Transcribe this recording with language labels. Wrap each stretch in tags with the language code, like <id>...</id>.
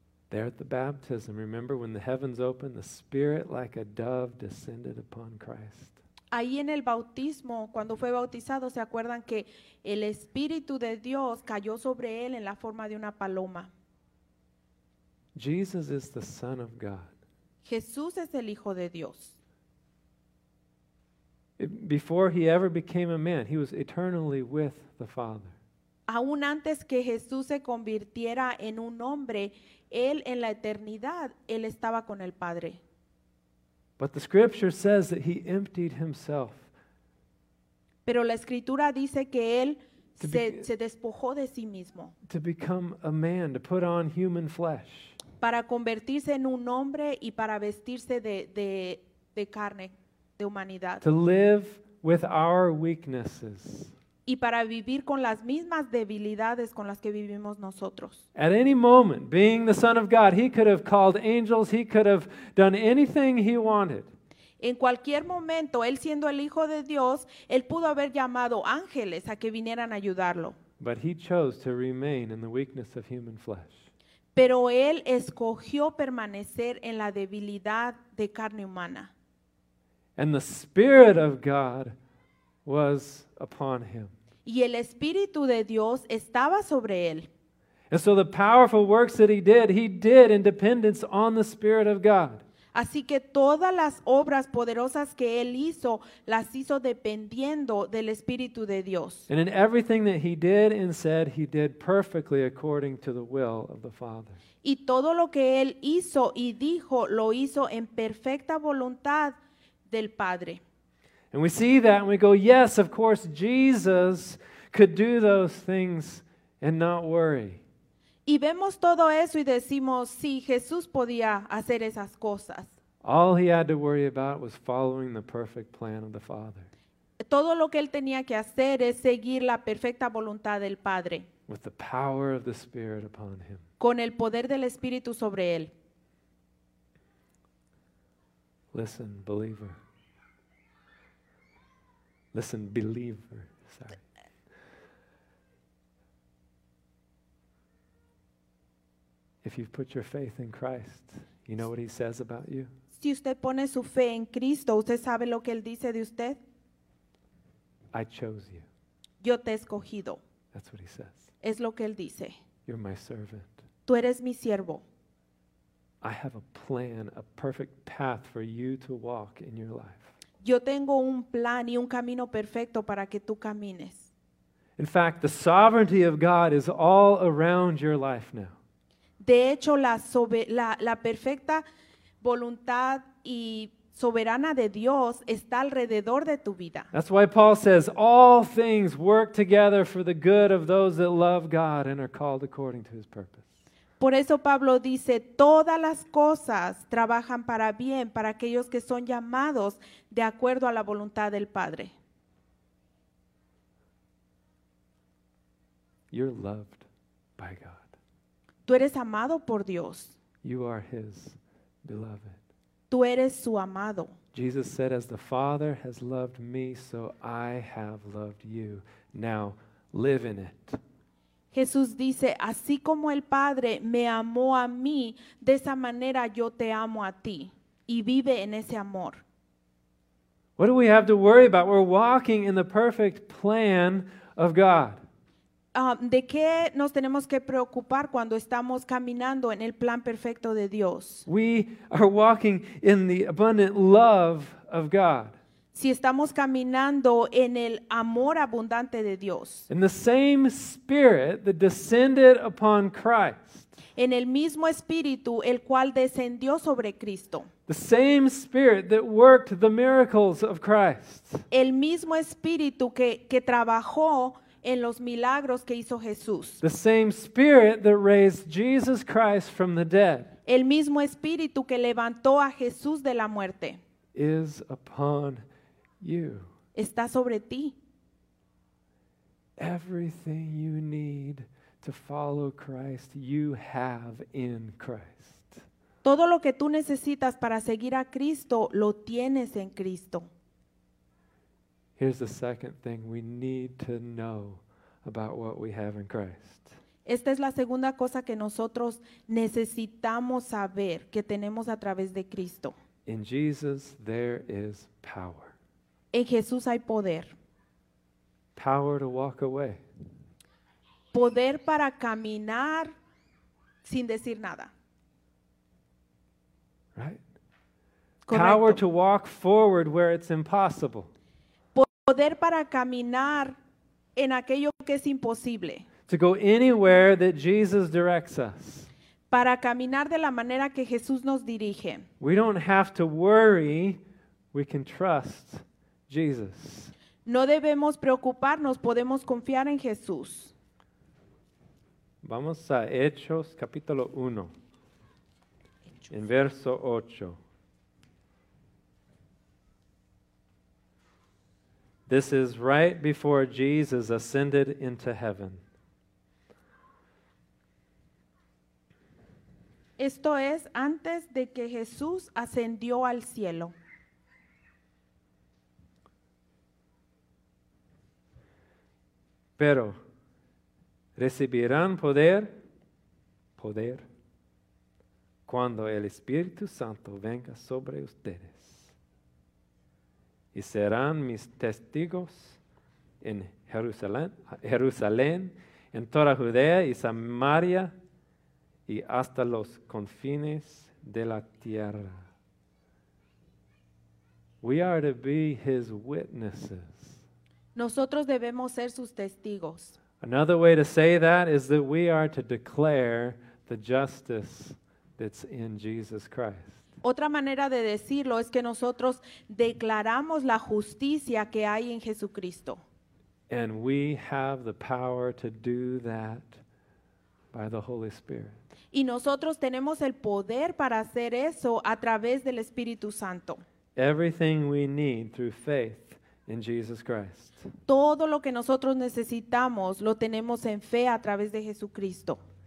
<en>There at the baptism, remember when the heavens opened, the Spirit like a dove descended upon Christ.</en> <es>Ahí en el bautismo, cuando fue bautizado, ¿se acuerdan que el Espíritu de Dios cayó sobre él en la forma de una paloma?</es> <en>Jesus is the Son of God.</en> <es>Jesús es el Hijo de Dios.</es> <en>Before he ever became a man, he was eternally with the Father.</en> <es>Aún antes que Jesús se convirtiera en un hombre, él en la eternidad, él estaba con el Padre.</es> <en>But the scripture says that he emptied himself.</en> <es>Pero la escritura dice que él se despojó de sí mismo.</es> <en>To become a man, to put on human flesh.</en> <es>Para convertirse en un hombre y para vestirse de carne, de humanidad.</es> <en>To live with our weaknesses.</en> <es>Y para vivir con las mismas debilidades con las que vivimos nosotros.</es> <en>At any moment, being the Son of God, he could have called angels, he could have done anything he wanted.</en> <es>En cualquier momento, él siendo el Hijo de Dios, él pudo haber llamado ángeles a que vinieran a ayudarlo.</es> <en>But he chose to remain in the weakness of human flesh.</en> <es>Pero él escogió permanecer en la debilidad de carne humana.</es> <en>And the Spirit of God was upon him.</en> <es>Y el Espíritu de Dios estaba sobre él.</es> <en>And so the powerful works that he did in dependence on the Spirit of God.</en> <es>Así que todas las obras poderosas que él hizo, las hizo dependiendo del Espíritu de Dios.</es> <en>And in everything that he did and said, he did perfectly according to the will of the Father.</en> <es>Y todo lo que él hizo y dijo, lo hizo en perfecta voluntad del Padre.</es> <en>And we see that and we go, yes, of course, Jesus could do those things and not worry.</en> <es>Y vemos todo eso y decimos, sí, Jesús podía hacer esas cosas.</es> <en>All he had to worry about was following the perfect plan of the Father.</en> <es>Todo lo que él tenía que hacer es seguir la perfecta voluntad del Padre.</es> <en>With the power of the Spirit upon him.</en> <es>Con el poder del Espíritu sobre él.</es> <en>Listen, believer. Listen, believer, sorry. If you've put your faith in Christ, you know what he says about you?</en> <es>Si usted pone su fe en Cristo, ¿usted sabe lo que él dice de usted?</es> <en>I chose you.</en> <es>Yo te he escogido.</es> <en>That's what he says.</en> <es>Es lo que él dice.</es> <en>You're my servant.</en> <es>Tú eres mi siervo.</es> <en>I have a plan, a perfect path for you to walk in your life.</en> <es>Yo tengo un plan y un camino perfecto para que tú camines.</es> <en>In fact, the sovereignty of God is all around your life now.</en> <es>De hecho, la perfecta voluntad y soberana de Dios está alrededor de tu vida.</es> <en>That's why Paul says, all things work together for the good of those that love God and are called according to his purpose.</en> <es>Por eso Pablo dice, todas las cosas trabajan para bien para aquellos que son llamados de acuerdo a la voluntad del Padre.</es> <en>You're loved by God.</en> <es>Tú eres amado por Dios.</es> <en>You are his beloved.</en> <es>Tú eres su amado.</es> <en>Jesus said, as the Father has loved me, so I have loved you. Now live in it.</en> <es>Jesús dice, así como el Padre me amó a mí, de esa manera yo te amo a ti. Y vive en ese amor.</es> <en>What do we have to worry about? We're walking in the perfect plan of God.</en> <es>¿De qué nos tenemos que preocupar cuando estamos caminando en el plan perfecto de Dios?</es> <en>We are walking in the abundant love of God.</en> <es>Si estamos caminando en el amor abundante de Dios.</es> <en>In the same spirit that descended upon Christ.</en> <es>En el mismo espíritu el cual descendió sobre Cristo.</es> <en>The same spirit that worked the miracles of Christ.</en> <es>El mismo espíritu que trabajó en los milagros que hizo Jesús.</es> <en>The same spirit that raised Jesus Christ from the dead.</en> <es>El mismo espíritu que levantó a Jesús de la muerte.</es> <en>Is upon you.</en> <es>Está sobre ti.</es> <en>Everything you need to follow Christ, you have in Christ.</en> <es>Todo lo que tú necesitas para seguir a Cristo, lo tienes en Cristo.</es> <en>Here's the second thing we need to know about what we have in Christ.</en> <es>Esta es la segunda cosa que nosotros necesitamos saber que tenemos a través de Cristo.</es> <en>In Jesus there is power.</en> <es>En Jesús hay poder.</es> <en>Power to walk away.</en> <es>Poder para caminar sin decir nada.</es> <en>Right?</en> <es>Correcto.</es> <en>Power to walk forward where it's impossible.</en> <es>Poder para caminar en aquello que es imposible.</es> <en>To go anywhere that Jesus directs us.</en> <es>Para caminar de la manera que Jesús nos dirige.</es> <en>We don't have to worry, we can trust Jesus.</en> <es>No debemos preocuparnos, podemos confiar en Jesús. Vamos a Hechos capítulo 1, en verso 8.</es> <en>This is right before Jesus ascended into heaven.</en> <es>Esto es antes de que Jesús ascendió al cielo. Pero recibirán poder cuando el Espíritu Santo venga sobre ustedes. Y serán mis testigos en Jerusalén, en toda Judea y Samaria y hasta los confines de la tierra.</es> <en>We are to be his witnesses.</en> <es>Nosotros debemos ser sus testigos.</es> <en>Another way to say that is that we are to declare the justice that's in Jesus Christ.</en> <es>Otra manera de decirlo es que nosotros declaramos la justicia que hay en Jesucristo.</es> <en>And we have the power to do that by the Holy Spirit.</en> <es>Y nosotros tenemos el poder para hacer eso a través del Espíritu Santo.</es> <en>Everything we need through faith in Jesus Christ.</en> <es>Todo lo que nosotros necesitamos lo tenemos en fe a través de Jesucristo.</es>